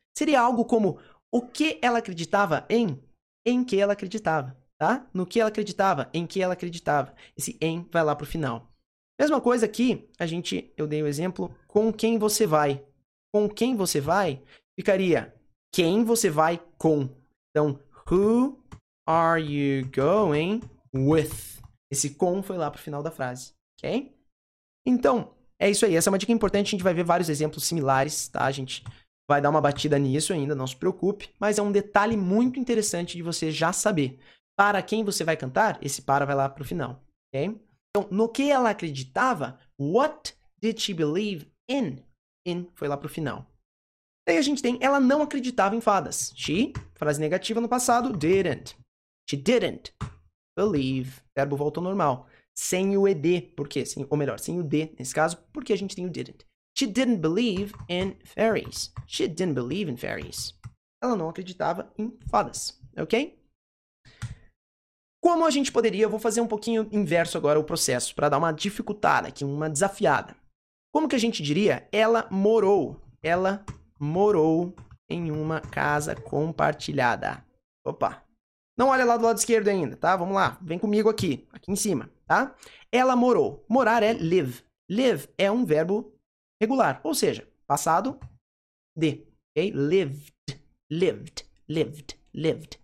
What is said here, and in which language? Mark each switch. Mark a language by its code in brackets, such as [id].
[pt] Seria algo como o que ela acreditava em? Em que ela acreditava, tá? No que ela acreditava, em que ela acreditava. Esse em vai lá pro final. Mesma coisa aqui, eu dei o exemplo, com quem você vai. Com quem você vai ficaria quem você vai com. [en] Então, who are you going with? [pt] Esse com foi lá pro final da frase, ok? Então... É isso aí, essa é uma dica importante, a gente vai ver vários exemplos similares, tá? A gente vai dar uma batida nisso ainda, não se preocupe. Mas é um detalhe muito interessante de você já saber. Para quem você vai cantar, esse para vai lá pro final, ok? Então, no que ela acreditava? [en] What did she believe in? [pt] In foi lá pro final. Daí a gente tem, ela não acreditava em fadas. She, frase negativa no passado, didn't. [en] She didn't believe. [pt] Verbo volta ao normal. Sem o ED, por quê? Sem, ou melhor, sem o D nesse caso, porque a gente tem o didn't. [en] She didn't believe in fairies. She didn't believe in fairies. [pt] Ela não acreditava em fadas, ok? Como a gente poderia, eu vou fazer um pouquinho inverso agora o processo, para dar uma dificultada aqui, uma desafiada. Como que a gente diria? Ela morou em uma casa compartilhada. Opa, não olha lá do lado esquerdo ainda, tá? Vamos lá, vem comigo aqui, aqui em cima, tá? Ela morou. Morar é live. Live é um verbo regular, ou seja, passado de, ok? Lived, lived, lived, lived.